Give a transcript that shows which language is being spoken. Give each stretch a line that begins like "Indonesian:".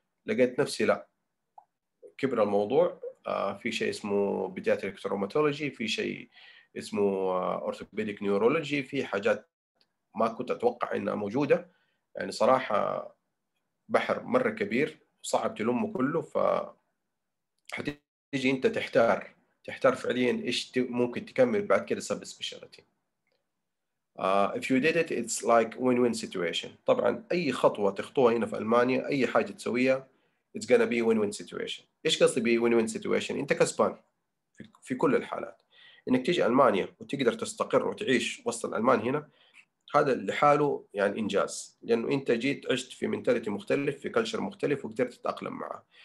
Arabic: لقيت نفسي لا كبر الموضوع، في شيء اسمه بيدياتريك روماتولوجي، في شيء اسمه اورثوبيديك نيورولوجي، في حاجات ما كنت اتوقع انها موجوده. يعني صراحة بحر مرة كبير صعب تلمه كله، فحتيجي أنت تحتار فعلياً إيش ممكن تكمل بعد كده سب سبيشالتي.
English: If you did it, it's like win-win situation.
Arabic: طبعاً أي خطوة تخطوها هنا في ألمانيا أي حاجة تسويها
English: it's gonna be win-win situation.
Arabic: إيش قصدي بي win-win situation؟ أنت كسبان في كل الحالات. إنك تيجي ألمانيا وتقدر تستقر وتعيش وسط الألمان هنا، هذا لحاله يعني إنجاز، لأنه أنت جيت عشت في منتاليتي مختلف في كلتشر مختلف وقدرت تتأقلم معه.